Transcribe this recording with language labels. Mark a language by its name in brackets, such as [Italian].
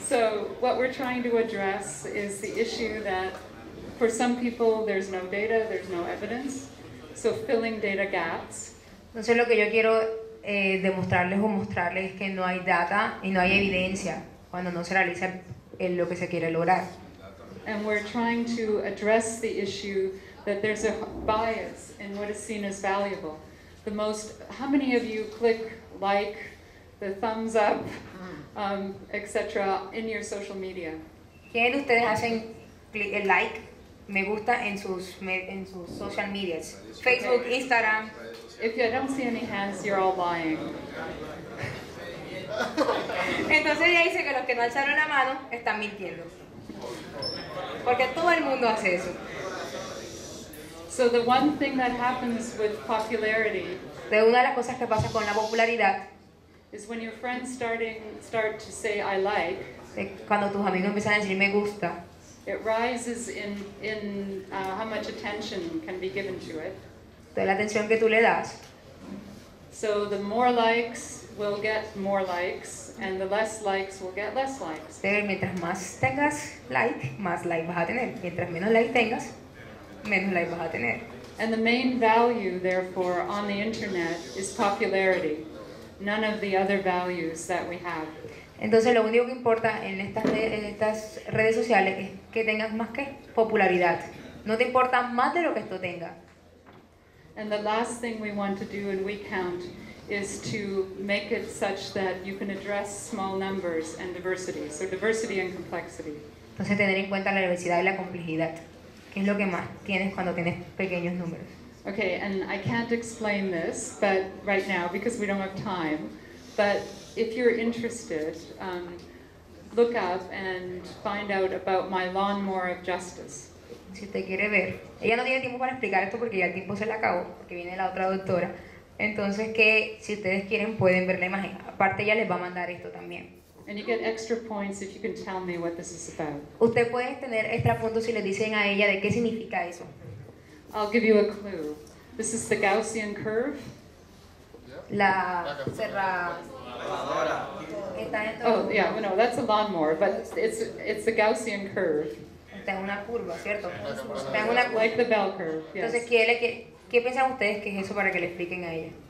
[English] So what we're trying to address is the issue that for some people there's no data, there's no evidence. So filling data gaps. [Spanish] Entonces lo que yo quiero demostrarles o mostrarles es que no hay data y no hay evidencia cuando no se realiza en lo que se quiere lograr. [English] And we're trying to address the issue that there's a bias in what is seen as valuable. The most, how many of you click like, the thumbs up, etc. in your social media? [Spanish] ¿Quién de ustedes hacen click el like, me gusta en sus social medias? [English] Facebook, Instagram. If you don't see any hands, you're all lying. [Spanish] Entonces ella dice que los que no alzaron la mano están mintiendo. Porque todo el mundo hace eso. [English] So the one thing that happens with popularity, [Spanish] de una de las cosas que pasa con la popularidad, [English] is when your friends start to say I like, [Spanish] cuando tus amigos empiezan a decir me gusta, [English] it rises in how much attention can be given to it. [Spanish] De la atención que tú le das. [English] So the more likes will get more likes, and the less likes will get less likes. [Spanish] Mientras más tengas like, más like vas a tener. Mientras menos like tengas, menos like vas a tener. [English] And the main value, therefore, on the internet is popularity. None of the other values that we have. [Spanish] Entonces lo único que importa en estas redes sociales es que tengas más que popularidad. No te importa más de lo que esto tenga. [English] And the last thing we want to do in WeCount is to make it such that you can address small numbers and diversity. So diversity and complexity. [Spanish] Entonces tener en cuenta la diversidad y la complejidad, que es lo que más tienes cuando tienes pequeños números. [English] Okay, and I can't explain this, but right now, because we don't have time, but if you're interested, look up and find out about my lawnmower of justice. [Spanish] Si usted quiere ver, ella no tiene tiempo para explicar esto porque ya el tiempo se le acabó, porque viene la otra doctora. Entonces, que si ustedes quieren, pueden ver la imagen. Aparte, ella les va a mandar esto también. [English] And you get extra points if you can tell me what this is about. [Spanish] Usted puede tener extra puntos si le dicen a ella de qué significa eso. [English] I'll give you a clue. This is the Gaussian curve. [Spanish] La cerradora. [English] Oh, yeah, no, that's a lawnmower, but it's the Gaussian curve. [Spanish] Tengo una curva, ¿cierto? Tengo una curva. [English] Like the bell curve, yes. [Spanish] Entonces, ¿qué piensan ustedes que es eso para que le expliquen a ella?